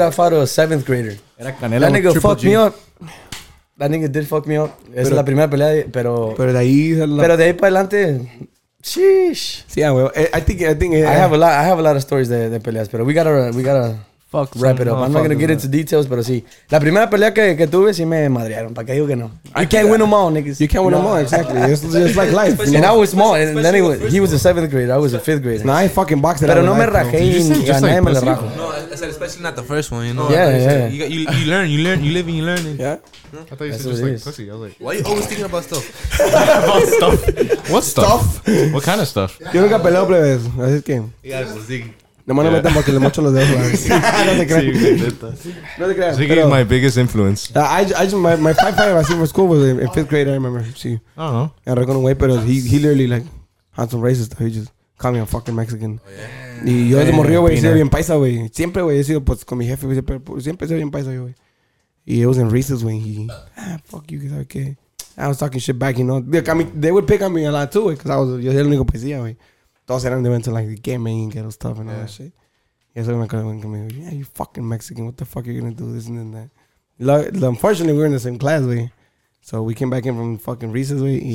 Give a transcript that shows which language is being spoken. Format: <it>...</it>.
<en>I fought a seventh grader. That nigga fucked me up. That nigga did fuck me up.</en> <es>Esa es la primera pelea, pero de ahí. Pero de ahí para adelante, sheesh.</es> <en>Yeah, well, I think I have a lot of stories</en> <es>de peleas, pero</es> <en>we gotta fuck. Wrap it up. I'm not gonna get into details, but sí.</en> <es>La primera pelea que tuve, sí me madrearon. ¿Para qué digo que no?</es> <en>You can't win them all, niggas. You can't win them all, exactly. It's just like life. You know? And I was small. And then he was a seventh grade. I was a fifth grade. No, I fucking boxed it.</en> <es>Pero no me rajé y gané, me la rajo.</es> <en>No, especially not the first one, you know? Yeah, yeah. You learn. You live and you learn. Yeah. I thought you said just like pussy. I was like, why are you always thinking about stuff? About stuff? What stuff? What kind of stuff?</en> <es>Yo nunca peleo, plebes. Así es que. No me lo metan porque le mocho los dedos. No te creas.</es> <en>Ziggy is my biggest influence. My 5'5 I seen for school was in fifth grade, I remember. Sí. Uh-huh. I don't know. Wait, but he literally like had some racist stuff. He just called me a fucking Mexican. Oh, yeah.</en> <es>Y yo desde morrío, güey, he sido bien paisa, güey. Siempre, güey, he sido pues con mi jefe, pero siempre he sido bien paisa, güey.</es> <en>Y it was in recess when he, fuck you,</en> <es>¿sabes qué?</es> <en>I was talking shit back, you know. They would pick on me a lot too, güey, because I was,</en> <es>yo era el único paisilla, güey. Todos eran de venta,</es> <en>like, the game and ghetto stuff and all that shit.</en> <es>Y eso me acuerdo, me dijo,</es> <en>yeah, you fucking Mexican, what the fuck are you going to do, this and then that. Unfortunately, we were in the same class, güey. So we came back in from fucking recess, güey.</en>